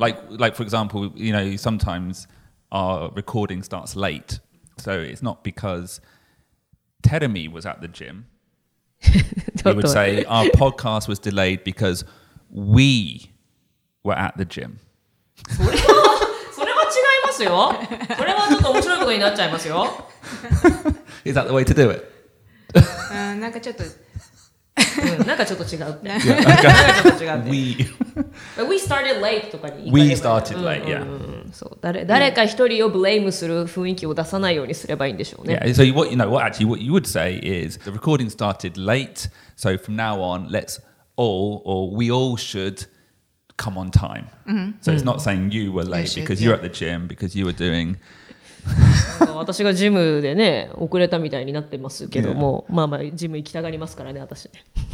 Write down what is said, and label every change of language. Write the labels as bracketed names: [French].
[English] Yeah, like for example, you know, sometimes our recording starts late, so it's not because Teremi was at the gym. We would say our podcast was delayed because we were at the gym. [Japanese] それは違いますよ。これはちょっと面白いことになっちゃいますよ。 [English] Is that the way to do it? [Japanese] なんかちょっと。うん、なんかちょっと違うって。 [English] Yeah, okay. [Japanese] なんかちょっと違うって。 [English] We. But we started late とかに。 We started late, yeah. [Japanese] そう、誰か一人をブレームする雰囲気を出さないようにすればいいんでしょうね。 [English] Yeah, so what, you know, what actually what you would say is the recording started late, so from now on, let's all or we all should come on time.、 Mm-hmm. So it's not saying you were late because、yeah. you're at the gym because you were doing... [Japanese] 私がジムでね遅れたみたいになってますけども、yeah. まあまあジム行きたがりますからね私ね。